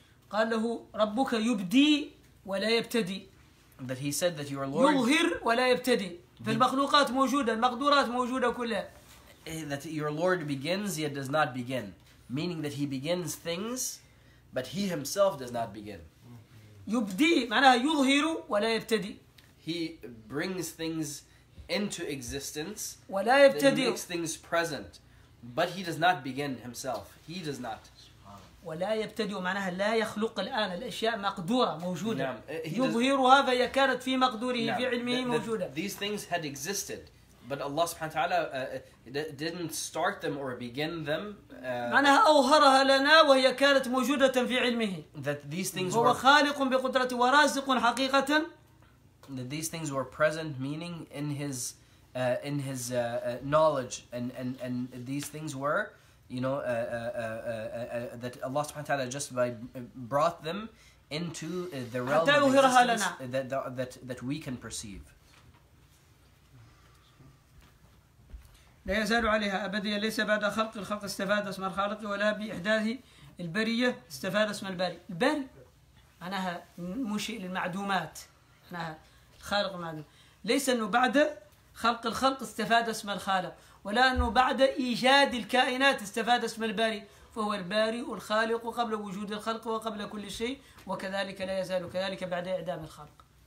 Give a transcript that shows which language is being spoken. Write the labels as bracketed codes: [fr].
[ar] قال له ربك يبدي ولا يبتدي. [en] That he said that your Lord [ar] يظهر ولا يبتدي في المخلوقات موجودة المقدورات موجودة كلها [en] that your Lord begins yet does not begin meaning that he begins things but he himself does not begin [ar] يبدي معناها يظهر ولا يبتدي [en] he brings things into existence [ar] ولا يبتدي [en] that he makes things present but he does not begin himself he does not [ar] ولا يبتدئ معناها لا يخلق الآن الأشياء مقدورة موجودة يظهرها فهي كانت في مقدوره في علمه موجودة [en] these things had existed but Allah سبحانه وتعالى didn't start them or begin them [ar] معناها أظهرها لنا وهي كانت موجودة في علمه [en] that these things [ar] هو خالق بقدرته ورازق حقيقة [en] that these things were present meaning in his knowledge and these things were You know that Allah Subhanahu wa Taala just by brought them into the realm of existence that we can perceive. [ar] لا يزال عليها أبدا ليس بعد خلق الخلق استفاد اسم الخالق ولا بإحداث البرية استفاد اسم الباري البر أناها مشئ للمعدومات أناها خالق معدوم ليس إنه بعد خلق الخلق استفاد اسم الخالق ولا أنه بعد إيجاد الكائنات استفاد اسم الباري فهو الباري والخالق قبل وجود الخلق وقبل كل شيء وكذلك لا يزال كذلك بعد إعدام الخلق.